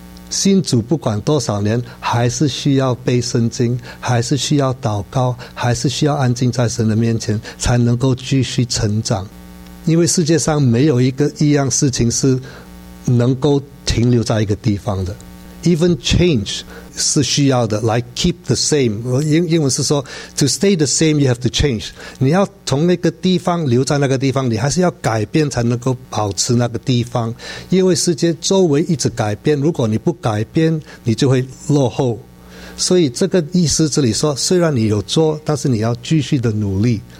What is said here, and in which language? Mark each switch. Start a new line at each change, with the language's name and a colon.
Chinese: 信主不管多少年，还是需要背圣经，还是需要祷告，还是需要安静在神的面前，才能够继续成长。因为世界上没有一样事情是能够停留在一个地方的。
English: Even change
Chinese: 是需要的，来
English: keep the same，
Chinese: 英文是说
English: To stay the same you have to change。
Chinese: 你要从那个地方留在那个地方，你还是要改变才能够保持那个地方。因为世界周围一直改变，如果你不改变，你就会落后。所以这个意思这里说，虽然你有做，但是你要继续的努力。